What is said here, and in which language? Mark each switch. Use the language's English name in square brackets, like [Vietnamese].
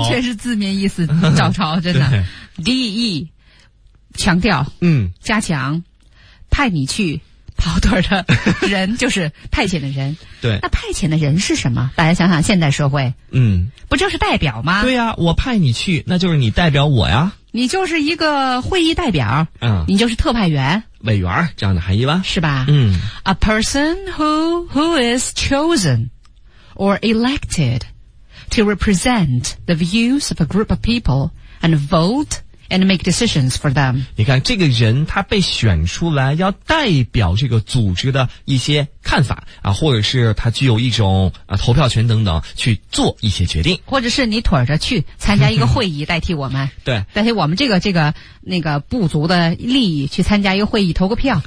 [Chinese] 完全是字面意思照抄，真的。DE, 强调，加强，派你去跑腿的人就是派遣的人。对，那派遣的人是什么？大家想想，现代社会，不就是代表吗？对呀、啊，我派你去，那就是你代表我呀。你就是一个会议代表，你就是特派员、委员这样的含义吧？是吧？ [English] A person who is chosen or elected to represent the views of a group of people and vote. And make decisions for them. [Chinese] 你看这个人他被选出来要代表这个组织的一些看法啊，或者是他具有一种投票权等等去做一些决定。或者是你腿着去参加一个会议代替我们。对。代替我们这个那个部族的利益去参加一个会议投个票。